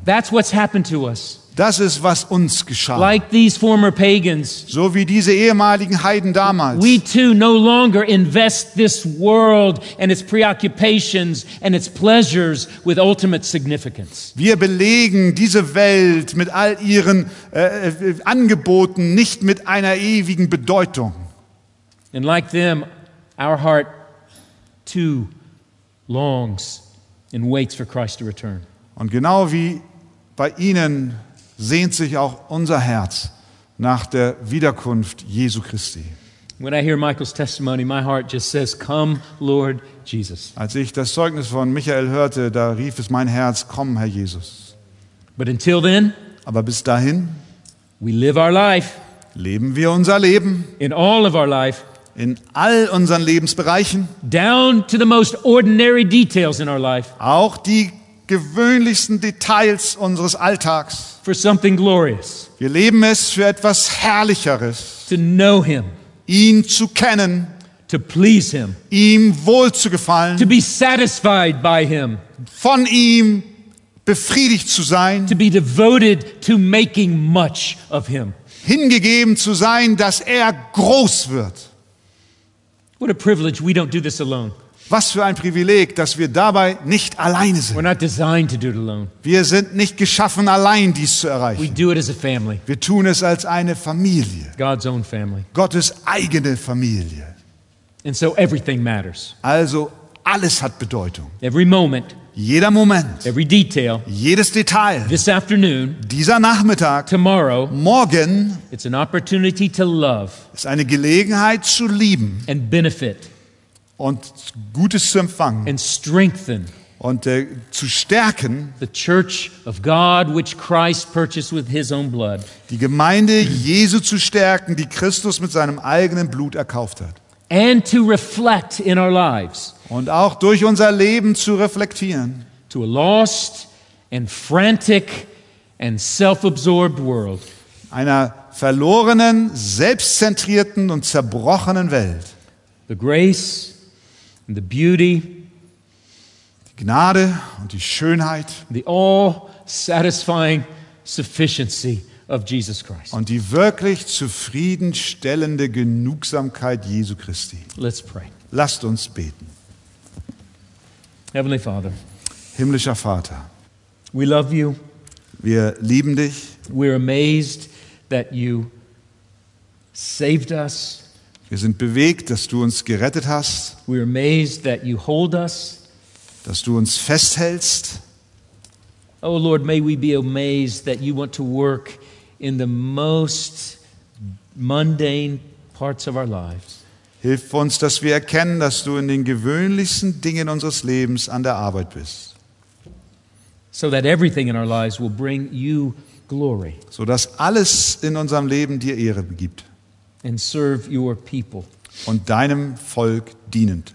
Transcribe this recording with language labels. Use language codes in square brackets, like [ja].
[en] That's what's happened to us. [de] Das ist, was uns geschah. [en] Like these former pagans. [de] So wie diese ehemaligen Heiden damals. [en] We too no longer invest this world and its preoccupations and its pleasures with ultimate significance. [de] Wir belegen diese Welt mit all ihren Angeboten nicht mit einer ewigen Bedeutung. [en] And like them, our heart too longs and waits for Christ to return. [de] Und genau wie bei ihnen sehnt sich auch unser Herz nach der Wiederkunft Jesu Christi. [en] When I hear Michael's testimony, my heart just says, "Come, Lord Jesus." [de] Als ich das Zeugnis von Michael hörte, da rief es mein Herz: "Komm, Herr Jesus." [en] But until then, [de] aber bis dahin, [en] we live our life. [de] Leben wir unser Leben. [en] In all of our life. [de] In all unseren Lebensbereichen. [en] Down to the most ordinary details in our life. [de] Auch die gewöhnlichsten Details unseres Alltags. [en] For something glorious. [de] Wir leben es für etwas Herrlicheres. [en] To know Him. [de] Ihn zu kennen. [en] To please Him. [de] Ihm wohlzugefallen. [en] To be satisfied by Him. [de] Von ihm befriedigt zu sein. [en] To be devoted to making much of Him. [de] Hingegeben zu sein, dass er groß wird. [en] What a privilege we don't do this alone. [de] Was für ein Privileg, dass wir dabei nicht alleine sind. [en] We're not designed to do it alone. [de] Wir sind nicht geschaffen, allein dies zu erreichen. [en] We do it as a family. [de] Wir tun es als eine Familie. [en] God's own family. [de] Gottes eigene Familie. [en] And so everything matters. [de] Also alles hat Bedeutung. [en] Every moment. [de] Jeder Moment. [en] Every detail. [de] Jedes Detail. [en] This afternoon. [de] Dieser Nachmittag. [en] Tomorrow. [de] Morgen. [en] It's an opportunity to love. [de] Ist eine Gelegenheit zu lieben. [en] And benefit. [de] Und Gutes zu empfangen. [en] And strengthen. [de] Und zu stärken. [en] The church of God which Christ purchased with his own blood. [de] Die Gemeinde Jesu zu stärken, die Christus mit seinem eigenen Blut erkauft hat. [en] And to reflect in our lives. [de] Und auch durch unser Leben zu reflektieren. [en] To a lost and frantic and self-absorbed world. [de] Einer verlorenen, selbstzentrierten und zerbrochenen Welt. [en] The grace and the beauty. [de] Die Gnade und die Schönheit. [en] The all-satisfying sufficiency of Jesus Christ. [de] Und die wirklich zufriedenstellende Genugsamkeit Jesu Christi. [en] Let's pray. [de] Lasst uns beten. [en] Heavenly Father. [de] Himmlischer Vater. [en] We love you. [de] Wir lieben dich. [en] We're amazed that you saved us. [de] Wir sind bewegt, dass du uns gerettet hast. [en] We're amazed that you hold us. [de] Dass du uns festhältst. [en] Oh Lord, may we be amazed that you want to work in the most mundane parts of our lives. [de] Hilf uns, dass wir erkennen, dass du in den gewöhnlichsten Dingen unseres Lebens an der Arbeit bist. [en] So that everything in our lives will bring you glory. [de] So dass alles in unserem Leben dir Ehre gibt. [en] And serve your people. [de] Und deinem Volk dienend.